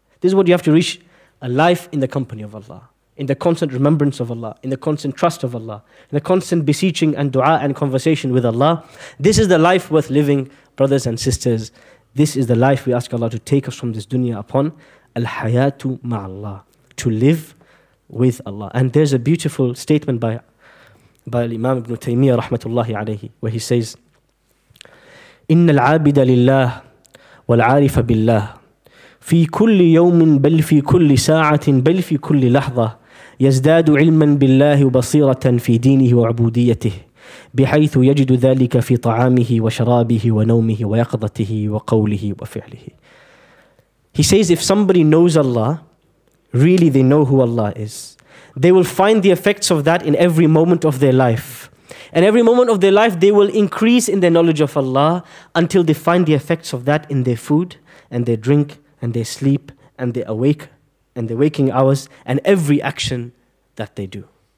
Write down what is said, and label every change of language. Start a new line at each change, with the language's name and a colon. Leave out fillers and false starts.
English: This is what you have to reach, a life in the company of Allah, in the constant remembrance of Allah, in the constant trust of Allah, in the constant beseeching and dua and conversation with Allah. This is the life worth living, brothers and sisters. This is the life we ask Allah to take us from this dunya upon, al-hayatu ma'Allah, to live with Allah. And there's a beautiful statement by Imam Ibn Taymiyyah rahmatullahi alayhi, where he says,
Arabic: إِنَّ الْعَابِدَ لِلَّهِ وَالْعَارِفَ بِاللَّهِ فِي كُلِّ يَوْمٍ بَلْ فِي كُلِّ سَاعَةٍ بَلْ فِي كُلِّ لَحْظَةٍ يَزْدَادُ عِلْمًا بِاللَّهِ وَبَصِيرَةً فِي دِينِهِ وَعُبُودِيَتِهِ بِحَيْثُ يَجِدُ ذَلِكَ فِي طَعَامِهِ وَشَرَابِهِ وَنَوْمِهِ وَيَقْظَتِهِ وَقَوْلِهِ وَفِعْلِهِ.
English: He says, if somebody knows Allah, really they know who Allah is, they will find the effects of that in every moment of their life. And every moment of their life, they will increase in their knowledge of Allah until they find the effects of that in their food and their drink and their sleep and their awake and their waking hours and every action that they do.